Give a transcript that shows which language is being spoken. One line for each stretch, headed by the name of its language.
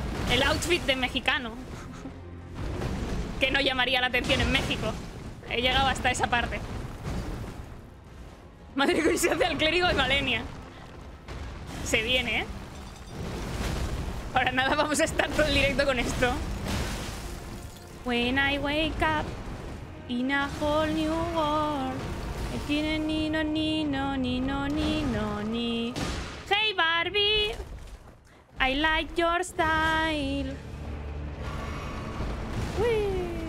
Spanish: El outfit de mexicano. Que no llamaría la atención en México. He llegado hasta esa parte. Madre mía, se hace al clérigo de Malenia. Se viene, ¿eh? Para nada vamos a estar todo el directo con esto.
English: When I wake up in a whole new world. I tiene ni no ni no ni no ni no ni. Hey Barbie. I like your style. Uy.